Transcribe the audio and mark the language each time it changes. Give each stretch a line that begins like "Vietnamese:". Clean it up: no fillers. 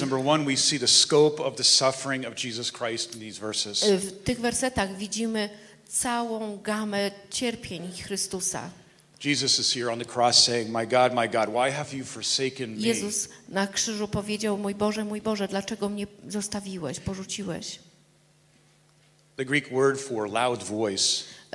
English: Number one, we see the scope of the suffering of Jesus Christ in these verses.
Polish: W tych wersetach widzimy całą gamę cierpień Chrystusa.
English: Jesus is here on the cross saying, my God, why have you forsaken me?
Polish: Jezus na krzyżu powiedział, mój Boże, dlaczego mnie zostawiłeś, porzuciłeś?
English: The Greek word for loud voice.